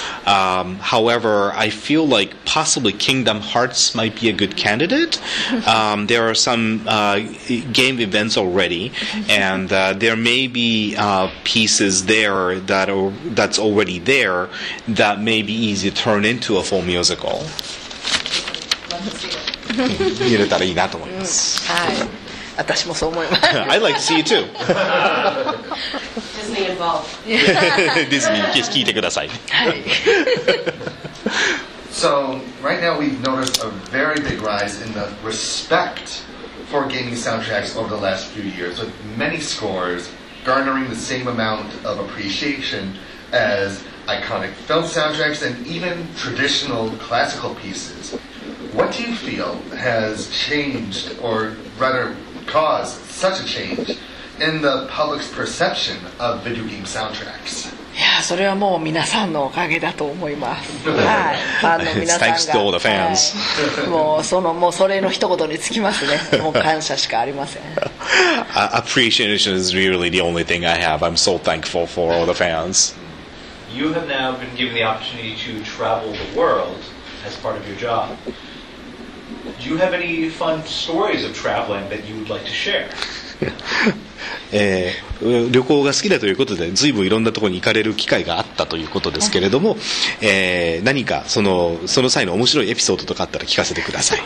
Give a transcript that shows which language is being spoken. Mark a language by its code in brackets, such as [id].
[en] However, I feel like possibly Kingdom Hearts might be a good candidate. There are some game events already, and there may be pieces there that's already there that may be easy to turn into a full musical. Let's see it. [ja] 入れたらいいなと思います。はい。私もそう思います。 [en] I'd like to see you too. Disney involved. [ja] Disney, 聞いてください。はい。 [en] So, right now we've noticed a very big rise in the respect for gaming soundtracks over the last few years, with many scores garnering the same amount of appreciation as iconic film soundtracks and even traditional classical pieces. What do you feel has changed, or rather,cause such a change in the public's perception of video game soundtracks? [ja] Yeah, それはもう皆さんのおかげだと思います。はい、 [en] It's thanks to all the fans. [ja] もうそれの一言につきますね。もう感謝しかありません。 [en] Appreciation is really the only thing I have. I'm so thankful for all the fans. You have now been given the opportunity to travel the world as part of your job. Do you have any fun stories of traveling that you would like to share? [ja] 旅行が好きだということで、ずいぶんいろんなところに行かれる機会があったということですけれども、何かその際の面白いエピソードとかあったら聞かせてください。